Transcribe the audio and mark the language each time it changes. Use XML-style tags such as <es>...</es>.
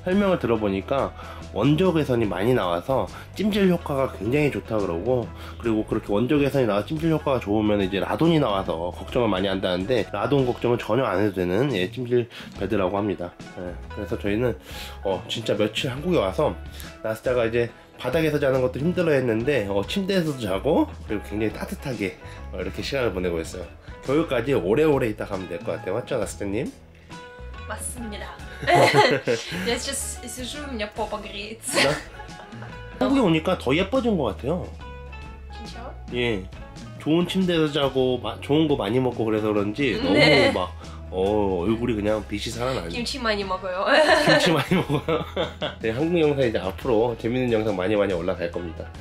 <ko>설명을 들어보니까 원적외선이 많이 나와서 찜질 효과가 굉장히 좋다 그러고 그리고 그렇게 원적외선이 나와서 찜질 효과가 좋으면 이제 라돈이 나와서 걱정을 많이 한다는데 라돈 걱정은 전혀 안 해도 되는 예, 찜질 베드라고 합니다. 예, 그래서 저희는 진짜 며칠 한국에 와서 나스타가 이제 바닥에서 자는 것도 힘들어 했는데 침대에서도 자고 그리고 굉장히 따뜻하게 이렇게 시간을 보내고 있어요. 겨울까지 오래오래 있다 가면 될 것 같아요. 맞죠 나스타님? 맞습니다.</ko> <ru>Я сейчас сижу, у меня попа греется. Да? В Корее</ru> <ko>오니까 더 예뻐진 것 같아요. 진짜요? 예. 좋은 침대에서 자고 좋은 거 많이 먹고 그래서 그런지 너무 네. 막 얼굴이 그냥 빛이 살아나요. 김치 많이 먹어요. 김치 많이 먹어요. 네, 한국 영상 이제 앞으로 재밌는 영상 많이 많이 올라갈 겁니다.</ko>